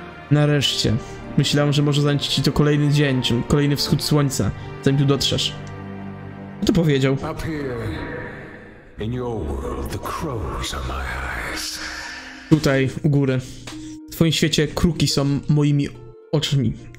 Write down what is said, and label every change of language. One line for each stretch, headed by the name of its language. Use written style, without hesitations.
Polish: Nareszcie. Myślałem, że może zająć ci to kolejny dzień, czy kolejny wschód słońca, zanim tu dotrzesz. To powiedział.
English: Up here, in your world, the crows are my eyes.
Polish: Tutaj, u góry. W twoim świecie kruki są moimi oczami.